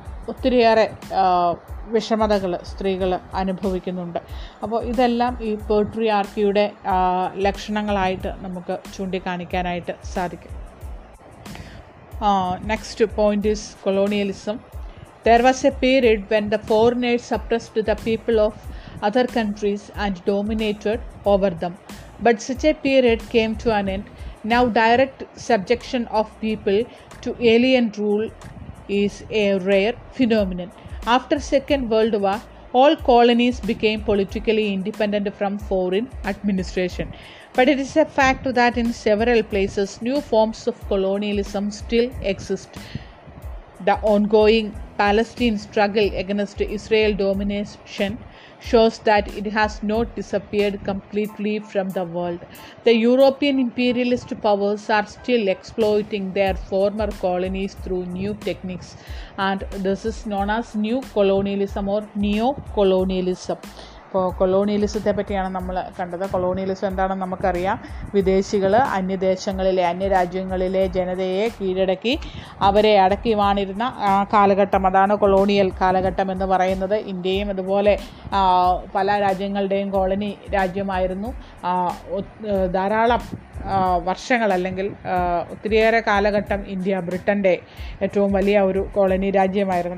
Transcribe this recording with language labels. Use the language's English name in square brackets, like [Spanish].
[Malayalam] ഒത്തിരിയേറെ വിഷമതകൾ സ്ത്രീകൾ അനുഭവിക്കുന്നുണ്ട്. അപ്പോൾ ഇതെല്ലാം ഈ പേട്രിയാർക്കിയുടെ ലക്ഷണങ്ങളായിട്ട് നമുക്ക് ചൂണ്ടിക്കാണിക്കാനായിട്ട് സാധിക്കും. [English] Next point is colonialism. There was a period when the foreigners suppressed the people of other countries and dominated over them. But such a period came to an end. Now direct subjection of people to alien rule is a rare phenomenon. After Second World War, all colonies became politically independent from foreign administration. But it is a fact that in several places, new forms of colonialism still exist. The ongoing Palestinian struggle against Israel domination shows that it has not disappeared completely from the world. The European imperialist powers are still exploiting their former colonies through new techniques, and this is known as new colonialism or neo-colonialism. [Malayalam] ഇപ്പോൾ കൊളോണിയലിസത്തെ പറ്റിയാണ് നമ്മൾ കണ്ടത്. Colonialism എന്താണെന്ന് നമുക്കറിയാം. വിദേശികൾ അന്യദേശങ്ങളിലെ അന്യരാജ്യങ്ങളിലെ ജനതയെ കീഴടക്കി അവരെ അടക്കിവാണിരുന്ന കാലഘട്ടം, അതാണ് കൊളോണിയൽ കാലഘട്ടം എന്ന് പറയുന്നത്. ഇന്ത്യയും അതുപോലെ പല രാജ്യങ്ങളുടെയും കോളനി രാജ്യമായിരുന്നു ധാരാളം വർഷങ്ങൾ, അല്ലെങ്കിൽ ഒത്തിരിയേറെ കാലഘട്ടം ഇന്ത്യ ബ്രിട്ടൻ്റെ ഏറ്റവും വലിയ ഒരു കോളനി രാജ്യമായിരുന്നു.